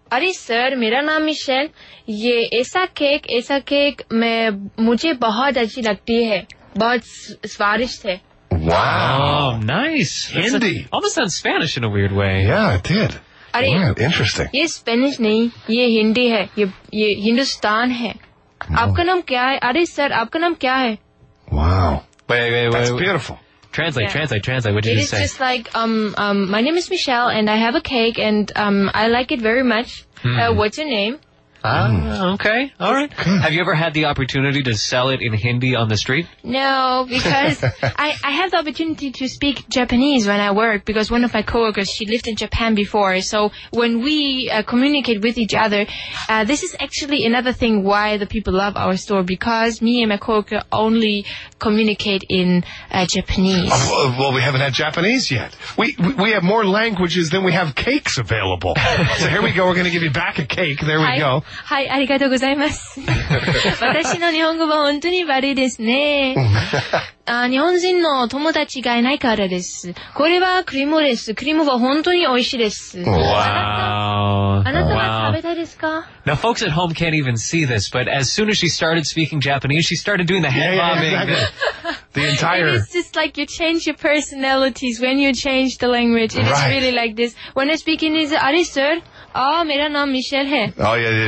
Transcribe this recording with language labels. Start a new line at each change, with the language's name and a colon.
Hindi: अरे सर मेरा नाम मिशेल ये ऐसा केक मैं मुझे बहुत अच्छी लगती है बहुत स्वादिष्ट है.
English: Wow, nice. Hindi. Almost sounds Spanish in a weird way. Yeah, it did. अरे interesting
Hindi: ये स्पेनिश नहीं ये हिंदी है ये हिंदुस्तान है आपका नाम क्या है अरे सर आपका नाम क्या है
English: Wow very beautiful Translate. What did you say? It is just like, my name is Michelle, and I have a cake, and I like it very much. Mm. What's your name? Okay. All right. Have you ever had the opportunity to sell it in Hindi on the street? No, because I have the opportunity to speak Japanese when I work, because one of my coworkers, she lived in Japan before. So when we communicate with each other, this is actually another thing why the people love our store, because me and my coworker only communicate in Japanese. Well, we haven't had Japanese yet. We have more languages than we have cakes available. So here we go. We're going to give you back a cake. There we go.
Japanese: はい、ありがとうございます。私の日本語は本当に悪いですね。日本人の友達がいないからです。これはクリームです。クリームは本当に美味しいです。
English: Wow.
Japanese: あなたは食べたいですか?
English: Now, folks at home can't even see this, but as soon as she started speaking Japanese, she started doing the hand bobbing. The entire... It's just like you change your personalities when you change the language. It is really like this. When I speak in English, are you sir? Oh, my name is Michelle. Oh, yeah, yeah.